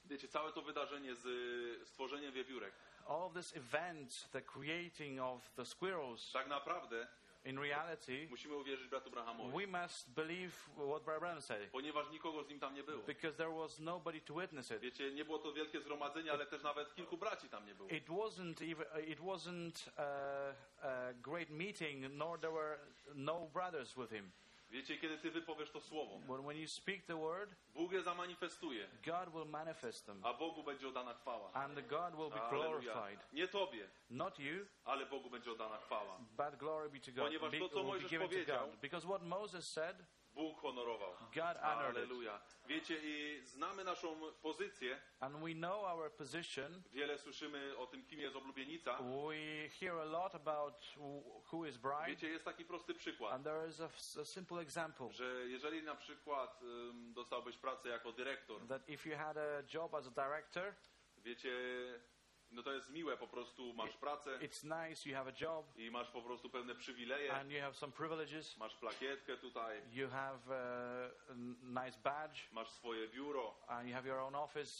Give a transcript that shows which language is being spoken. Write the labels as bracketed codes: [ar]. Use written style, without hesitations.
[pl] Wiecie, całe to wydarzenie z stworzeniem wiewiórek. [en] All of this event, the creating of the squirrels. [pl] Tak naprawdę, [en] in reality, [pl] musimy uwierzyć bratu Brahamowi. [en] We must believe what Brother Branham said. [pl] Ponieważ nikogo z nim tam nie było. [en] Because there was nobody to witness it. [pl] Wiecie, nie było to wielkie zgromadzenie, ale też nawet kilku braci tam nie było. [en] It wasn't a great meeting, nor there were no brothers with him. [pl] Wiecie, kiedy ty wypowiesz to słowo, [en] when you speak the word, [pl] Bóg je zamanifestuje. [en] God will manifest them. [pl] A Bogu będzie oddana chwała. [en] And God will be glorified. [pl] Nie tobie. [en] Not you. [pl] Ale Bogu będzie oddana chwała. [en] But glory be to God. [pl] Ponieważ to, co Mojżesz powiedział, [en] because what Moses said, [pl] Bóg honorował. [en] God honored. [pl] Alleluja. Wiecie, i znamy naszą pozycję. [en] And we know our position. [pl] Wiele słyszymy o tym, kim jest oblubienica. [en] We hear a lot about who is bride. [pl] Wiecie, jest taki prosty przykład. [en] And there is a simple example. [pl] Że jeżeli na przykład dostałbyś pracę jako dyrektor. [en] That if you had a job as a director. [pl] Wiecie, no to jest miłe, po prostu masz pracę. [en] It's nice, you have a job. [pl] I masz po prostu pewne przywileje. [en] And you have some privileges. [pl] Masz plakietkę tutaj. [en] You have a nice badge. [pl] Masz swoje biuro. [en] And you have your own office.